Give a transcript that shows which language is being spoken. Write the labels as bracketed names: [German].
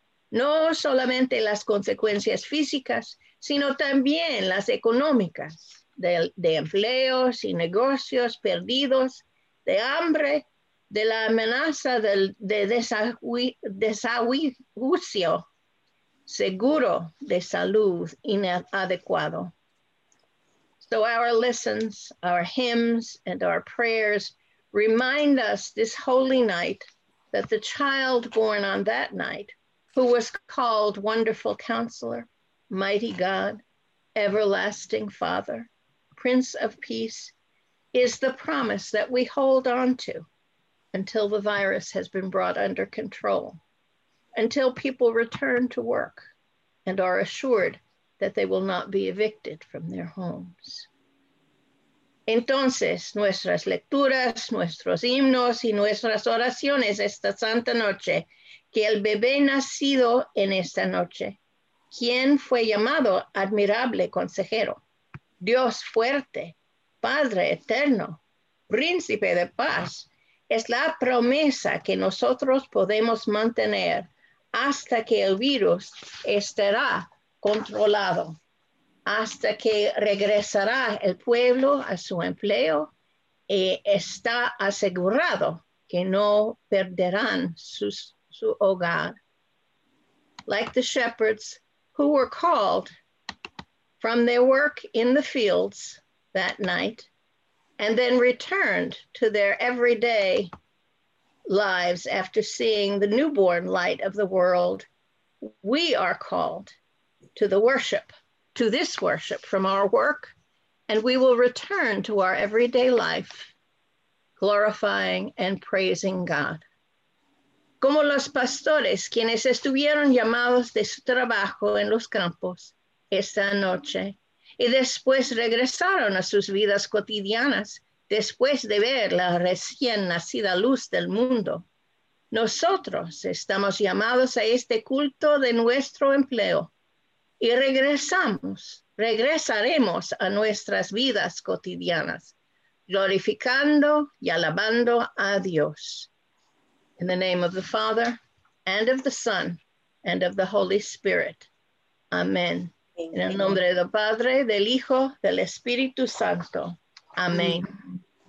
[Spanish] No solamente las consecuencias físicas, sino también las económicas de empleos y negocios perdidos, de hambre, de la amenaza de desahucio, seguro de salud inadecuado. [English] So our lessons, our hymns, and our prayers remind us this holy night that the child born on that night, who was called Wonderful Counselor, Mighty God, Everlasting Father, Prince of Peace, is the promise that we hold on to until the virus has been brought under control, until people return to work and are assured that they will not be evicted from their homes. [Spanish] Entonces, nuestras lecturas, nuestros himnos y nuestras oraciones esta santa noche, que el bebé nacido en esta noche, quien fue llamado admirable consejero, Dios fuerte, Padre eterno, príncipe de paz, es la promesa que nosotros podemos mantener hasta que el virus estará controlado, hasta que regresará el pueblo a su empleo y está asegurado que no perderán su hogar. [English] Like the shepherds who were called from their work in the fields that night and then returned to their everyday lives after seeing the newborn light of the world, we are called to the worship, to this worship from our work, and we will return to our everyday life, glorifying and praising God. [Spanish] Como los pastores, quienes estuvieron llamados de su trabajo en los campos esta noche, y después regresaron a sus vidas cotidianas, después de ver la recién nacida luz del mundo, nosotros estamos llamados a este culto de nuestro empleo, y regresaremos a nuestras vidas cotidianas, glorificando y alabando a Dios. [English] In the name of the Father, and of the Son, and of the Holy Spirit. Amen. [Spanish] Amen. En el nombre del Padre, del Hijo, del Espíritu Santo. Amén. Amen.